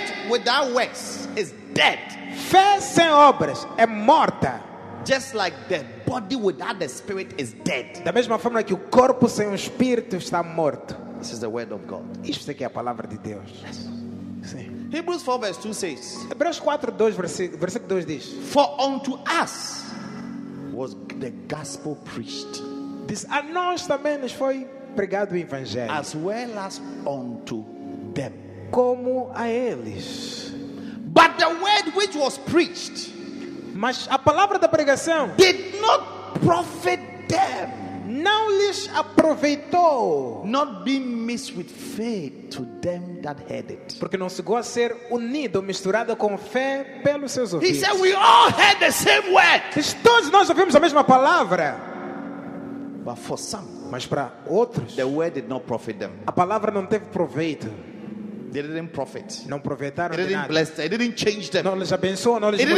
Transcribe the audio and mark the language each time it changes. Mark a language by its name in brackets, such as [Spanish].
[English] Without works is dead. [Portuguese] Fé sem obras é morta. [English] Just like the body without the spirit is dead. [Portuguese] Da mesma forma que o corpo sem o espírito está morto. [English] This is the word of God. [Portuguese] Isto aqui é a palavra de Deus. [English] Yes. [Portuguese] Sim. [English] Hebrews 4 verse 2 says. [Portuguese] Hebreus 4 2 versículo 2 diz. [English] For unto us was the gospel preached. [Portuguese] This a nós também nos foi pregado o evangelho. [English] As well as unto them. [Portuguese] Como a eles. [English] But the word which was preached, [Portuguese] mas a palavra da pregação, [English] did not profit them. [Portuguese] Não lhes aproveitou. [English] Not being mixed with faith to them that heard it. [Portuguese] Porque não chegou a ser unido, misturado com fé pelos seus ouvidos. [English] He said, we all heard the same word. [Portuguese] Todos nós ouvimos a mesma palavra. [English] But for some, [Portuguese] mas para outros, [English] the word did not profit them. [Portuguese] A palavra não teve proveito. [English] They didn't profit. [Portuguese] Não aproveitaram de nada. [English] Didn't bless them. It didn't change them. [Portuguese] Não lhes abençoou, não lhes mudou.